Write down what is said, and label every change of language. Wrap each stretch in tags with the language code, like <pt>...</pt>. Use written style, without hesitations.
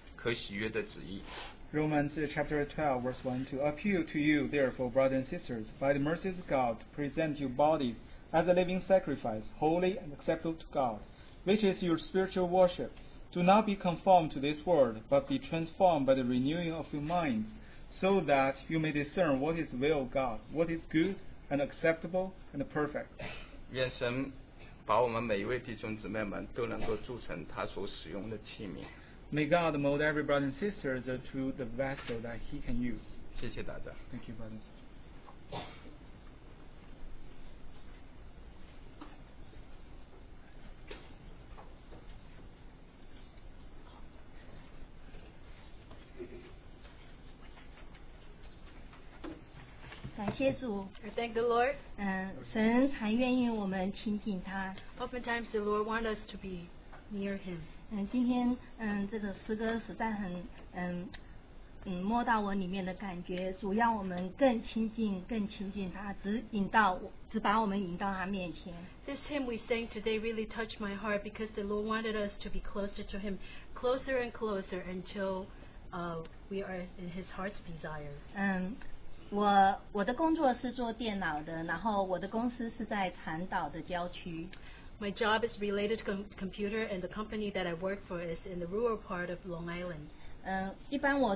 <zh>你们如此侍奉乃是理所当然的，不要效法这个世界，只要心意更新而变化，叫你们查验何为神的善良、纯全、可喜悦的旨意。</zh> <en>Romans chapter 12 verse 1 to appeal to you, therefore, brothers and sisters, by the mercies of God, present your bodies as a living sacrifice, holy and acceptable to God, which is your spiritual worship. Do not be conformed to this world, but be transformed by the renewing of your minds. So that you may discern what is the will of God, what is good and acceptable and perfect.</en> <zh>愿神把我们每一位弟兄姊妹们都能够铸成他所使用的器皿。</zh> <en>May God mold every brother and sister to the vessel that he can use.</en> <zh>谢谢大家。</zh> <en>Thank you, brothers and sisters. Thank the Lord.</en> <zh>神才愿意我们亲近他。</zh> <en>Oftentimes the Lord wants us to be near Him.</en> <zh>今天这个诗歌实在很摸到我里面的感觉，主要我们更亲近他，只把我们引到他面前。</zh> <en>This hymn we sang today really touched my heart because the Lord wanted us to be closer to Him, closer and closer until we are in His heart's desire.</en> <zh>我的工作是做电脑的，然后我的公司是在禅岛的郊区。</zh> <en>My job is related to computer, and the company that I work for is in the rural part of Long Island.</en>